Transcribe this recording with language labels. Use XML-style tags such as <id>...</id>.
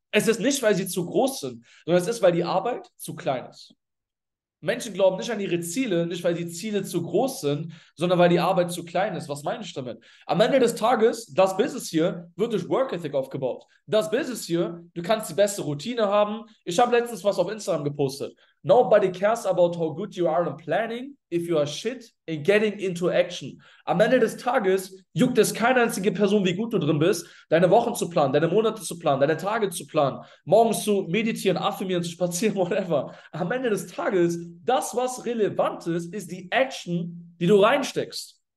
<de>Es ist nicht, weil sie zu groß sind, sondern es ist, weil die Arbeit zu klein ist. Menschen glauben nicht an ihre Ziele, nicht weil die Ziele zu groß sind, sondern weil die Arbeit zu klein ist. Was meine ich damit? Am Ende des Tages, das Business hier wird durch Work Ethic aufgebaut. Das Business hier, du kannst die beste Routine haben. Ich habe letztens was auf Instagram gepostet.</de> <en>Nobody cares about how good you are in planning, if you are shit in getting into action.</en> <de>Am Ende des Tages juckt es keine einzige Person, wie gut du drin bist, deine Wochen zu planen, deine Monate zu planen, deine Tage zu planen, morgens zu meditieren, affirmieren, zu spazieren, whatever. Am Ende des Tages, das, was relevant ist, ist die Action, die du reinsteckst.</de>